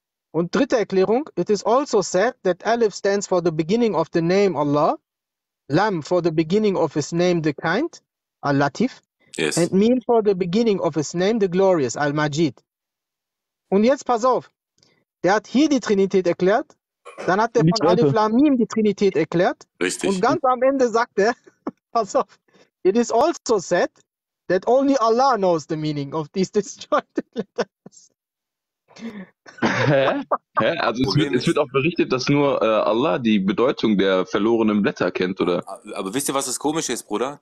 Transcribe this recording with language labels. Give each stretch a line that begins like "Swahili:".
German: Und dritte Erklärung,
English: it is also said that Alif stands for the beginning of the name Allah, Lam for the beginning of his name, the kind, Al-Latif, and Yes. Mim for the beginning of his name, the glorious, Al-Majid.
German: Und jetzt pass auf. Der hat hier die Trinität erklärt, dann hat er Nicht von Alif Lamim die Trinität erklärt und Richtig. ganz am Ende sagt er, pass auf,
English: it is also said that only Allah knows the meaning of these disjointed letters.
German: Hä? Also Problem es wird auch berichtet, dass nur Allah die Bedeutung der verlorenen Blätter kennt, oder? aber wisst ihr, was das Komische ist, Bruder?